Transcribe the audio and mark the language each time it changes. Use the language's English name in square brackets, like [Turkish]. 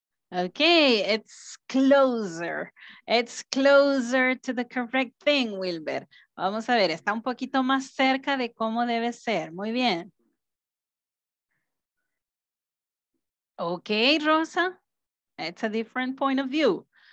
[English] Okay, it's closer to the correct thing, Wilber. [Spanish] Vamos a ver, está un poquito más cerca de cómo debe ser. Muy bien. [English] Okay, Rosa, it's a different point of view.